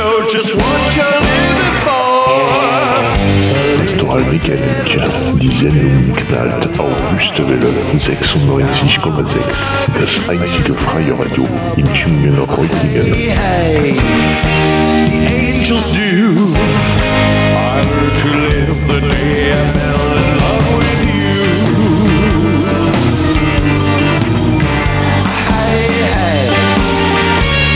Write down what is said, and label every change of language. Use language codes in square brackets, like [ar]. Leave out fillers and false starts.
[en] just what you're living for. [de] Pastor Albrecht, die Sendung knallt auf Wüstewelle 96,6. Das einzige freie Radio in Schmühlen-Reutlingen. [en] The angels do. To live the day I fell in love with you. Hey, hey.